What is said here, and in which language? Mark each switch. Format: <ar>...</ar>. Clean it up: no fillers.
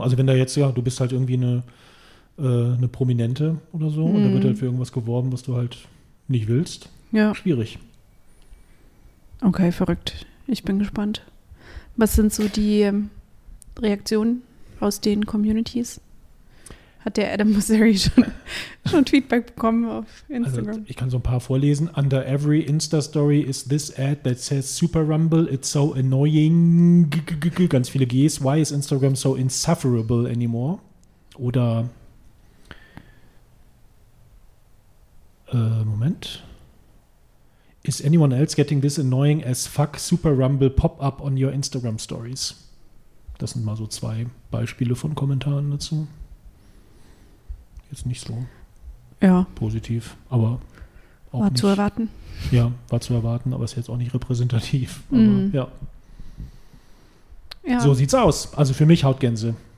<de>Also wenn da jetzt, du bist halt irgendwie eine Prominente oder so und da wird halt für irgendwas geworben, was du halt nicht willst. Ja. Schwierig. Okay, verrückt. Ich bin gespannt. Was sind so die Reaktionen aus den Communities? Hat der Adam Mosseri schon Feedback bekommen auf Instagram? Also, ich kann so ein paar vorlesen.</de> <en>Under every Insta-Story is this ad that says Super Rumble. It's so annoying.</en> <de>Ganz viele Gs.</de> <en>Why is Instagram so insufferable anymore?</en> <de>Oder Moment.</de> <en>Is anyone else getting this annoying as fuck Super Rumble pop-up on your Instagram Stories?</en> <de>Das sind mal so zwei Beispiele von Kommentaren dazu. Jetzt nicht so positiv, aber auch war nicht zu erwarten. Ja, war zu erwarten, aber ist jetzt auch nicht repräsentativ. Aber so sieht's aus. Also für mich Hautgänse.</de>